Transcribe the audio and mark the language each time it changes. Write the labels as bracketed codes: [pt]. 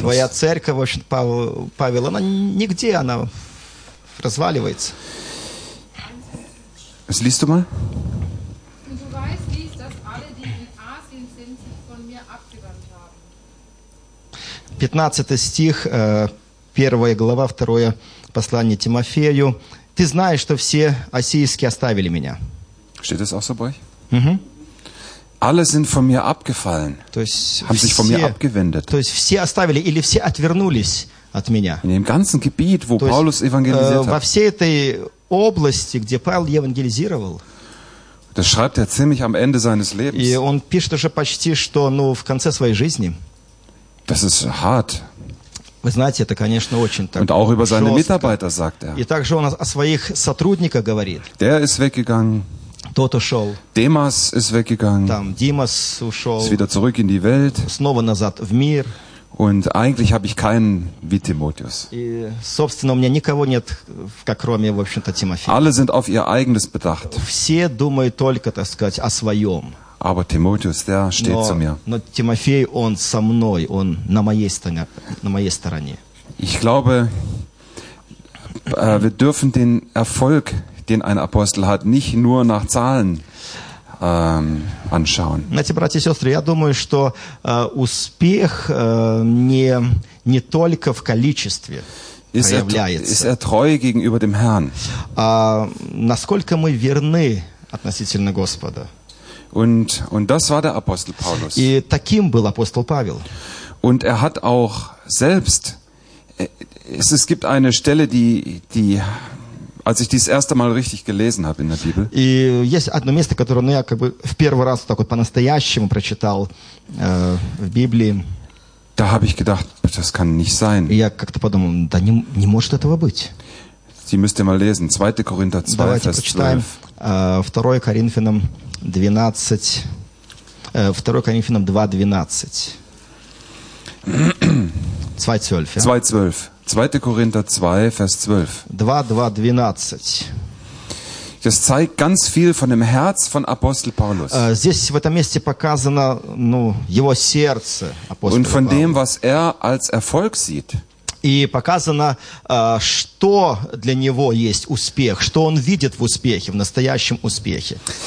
[ru] Твоя церковь, в общем-то, Павел, она нигде, она разваливается. [de] Das liest du mal. Und du weißt nicht, dass alle, die in Asien sind, sich von mir abgewandt haben. [ru] 15. Стих, 1. глава, 2. послание Тимофею. Ты знаешь, что все осийские оставили меня. [de] Steht das auch so bei euch? Mhm. Alle sind von mir abgefallen. [ru] То есть [de] haben [ru] все, [de] sich von mir abgewendet. [ru] То есть все оставили или все отвернулись от меня. [de] In dem ganzen Gebiet, wo Paulus evangelisiert hat. [ru] Во всей этой области, где Павел евангелизировал. [de] Das schreibt er ziemlich am Ende seines Lebens. [ru] И он пишет уже почти, что, ну, в конце своей жизни. [de] Das ist hart. [ru] Вы знаете, это, конечно, очень так. [de] Und auch über seine Mitarbeiter sagt er. [ru] И также он о своих сотрудниках говорит. [de] Der ist weggegangen. [ru] Тот ушел. [de] Demas ist weggegangen. [ru] Там Димас ушел. [de] Ist wieder zurück in die Welt. [ru] Снова назад в мир. [de] Und eigentlich habe ich keinen wie Timotheus. [ru] И, собственно, у меня никого нет, как кроме, в общем-то, Тимофея. [de] Alle sind auf ihr eigenes bedacht. [ru] Все думают только, так сказать, о своем. [de] Aber Timotheus, der steht zu mir. [ru] Но Тимофей, он со мной, он на моей стороне. [de] Ich glaube, wir dürfen den Erfolg, den ein Apostel hat, nicht nur nach Zahlen anschauen. [ru] Знаете, братья и сестры, я думаю, что успех не только в количестве проявляется. [de] Ist er treu gegenüber dem Herrn? [ru] Насколько мы верны относительно Господа? [de] Und das war der Apostel Paulus. [ru] И таким был апостол Павел. [de] Und er hat auch selbst, es gibt eine Stelle, die als ich dies erste Mal richtig gelesen habe in der Bibel. [ru] И есть одно место, которое, ну, я как бы в первый раз так вот по-настоящему прочитал в Библии. [de] Da habe ich gedacht, das kann nicht sein. [ru] И я как-то подумал, да не может этого быть. [de] Sie müsst ihr mal lesen, 2. Korinther 2, [ru] Давайте [de] Vers 12. [ru] Давайте прочитаем 2 Коринфянам 2 Коринфянам 2:12. [de] 2:12. 2. Korinther 2, Vers 12. 2:12. Das zeigt ganz viel von dem Herz von Apostel Paulus. [ru] Здесь в этом месте показано, ну, его сердце апостола. [de] Und von dem, was er als Erfolg sieht. [ru] И показано, что для него есть успех, что он видит в успехе, в настоящем успехе.